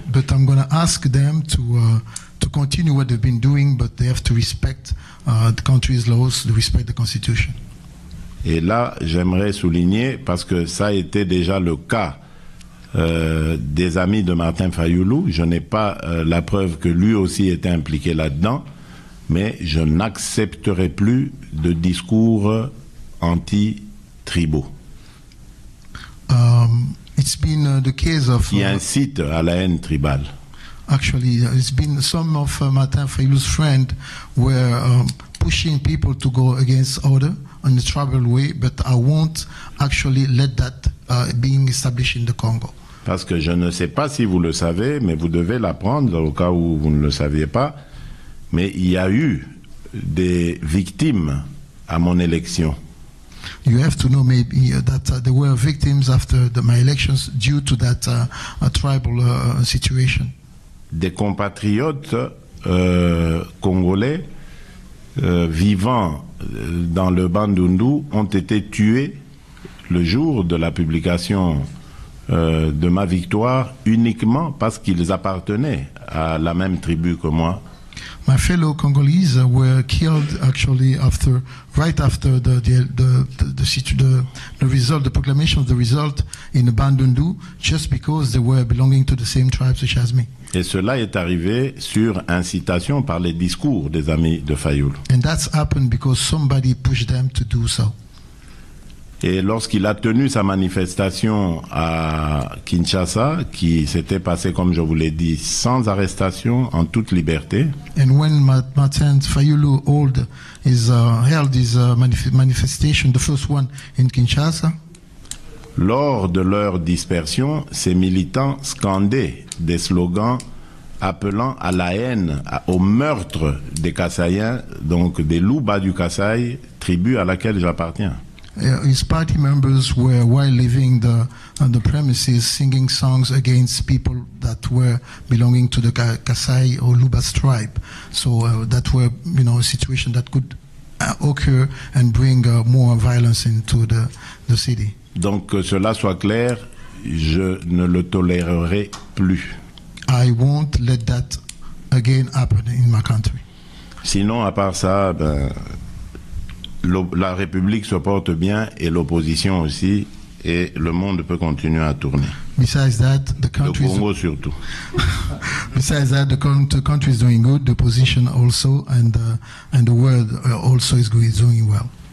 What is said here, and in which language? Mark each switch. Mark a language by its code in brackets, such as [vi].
[en] But I'm going to ask them to continue what they've been doing, but they have to respect the country's laws, to respect the constitution. [fr] Et là, j'aimerais souligner, parce que ça a été déjà le cas des amis de Martin Fayulu, je n'ai pas la preuve que lui aussi était impliqué là-dedans, mais je n'accepterai plus de discours anti-tribaux. [en] It's been the case of... [fr] Qui incite à la haine tribale. [en] Actually, it's been some of Martin Fayulu's friends were pushing people to go against order in the tribal way, but I won't actually let that being established in the Congo. [fr] Parce que je ne sais pas si vous le savez, mais vous devez l'apprendre au cas où vous ne le saviez pas, mais il y a eu des victimes à mon élection. [en] You have to know maybe that there were victims after my elections due to that tribal situation. [fr] Des compatriotes congolais vivant dans le Bandundu ont été tués le jour de la publication de ma victoire uniquement parce qu'ils appartenaient à la même tribu que moi. [en] My fellow Congolese were killed actually after right after the result, the proclamation of the result in the Bandundu, just because they were belonging to the same tribe such as me. [fr] Et cela est arrivé sur incitation par les discours des amis de Fayulu. [en] And that's happened because somebody pushed them to do so. [fr] Et lorsqu'il a tenu sa manifestation à Kinshasa, qui s'était passée, comme je vous l'ai dit, sans arrestation, en toute liberté. [en] And when Martin Fayulu held his, manifestation, the first one in Kinshasa. [fr] Lors de leur dispersion, ces militants scandaient des slogans appelant à la haine, au meurtre des Kassaïens, donc des Loubas du Kassaï, tribu à laquelle j'appartiens. [en] His party members were, while leaving the on the premises, singing songs against people that were belonging to the Kassai or Lubas tribe. So that were, you know, a situation that could occur and bring more violence into the city. [fr] Donc que cela soit clair, je ne le tolérerai plus. [en] I won't let that again happen in my country. [fr] Sinon, à part ça, ben, la République se porte bien et l'opposition aussi, et le monde peut continuer à tourner. [en] Besides that, the country [fr] le Congo [en] is... [fr] surtout. [en] Besides that, the country is doing good, the position also, and the world also is doing well.